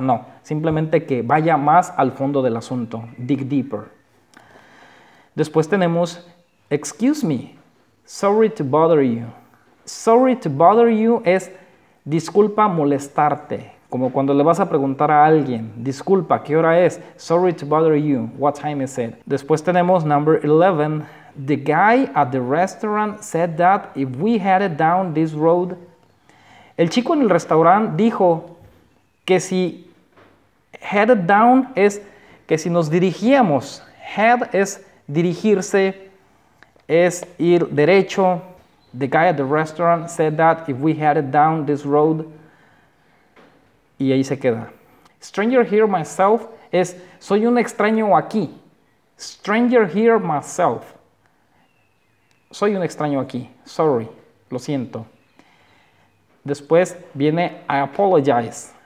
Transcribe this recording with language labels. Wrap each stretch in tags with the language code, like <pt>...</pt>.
<es>No, simplemente que vaya más al fondo del asunto.</es> <en>Dig deeper.</en> <es>Después tenemos,</es> <en>excuse me, sorry to bother you. Sorry to bother you</en> <es>es disculpa molestarte. Como cuando le vas a preguntar a alguien, disculpa, ¿qué hora es?</es> <en>Sorry to bother you, what time is it?</en> <es>Después tenemos</es> <en>number 11. The guy at the restaurant said that if we headed down this road.</en> <es>El chico en el restaurante dijo que si</es> <en>headed down</en> <es>es que si nos dirigíamos. Head es dirigirse, es ir derecho.</es> <en>The guy at the restaurant said that if we headed down this road.</en> <es>Y ahí se queda.</es> <en>Stranger here myself</en> <es>es soy un extraño aquí.</es> <en>Stranger here myself.</en> <es>Soy un extraño aquí.</es> <en>Sorry.</en> <es>Lo siento. Después viene</es> <en>I apologize.</en>